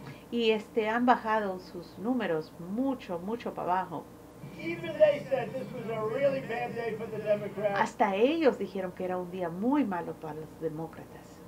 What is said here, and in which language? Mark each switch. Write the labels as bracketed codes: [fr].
[es] Y han bajado sus números mucho, mucho para abajo. [en] Even they said this was a really bad day for the Democrats. [es] Hasta ellos dijeron que era un día muy malo para los demócratas.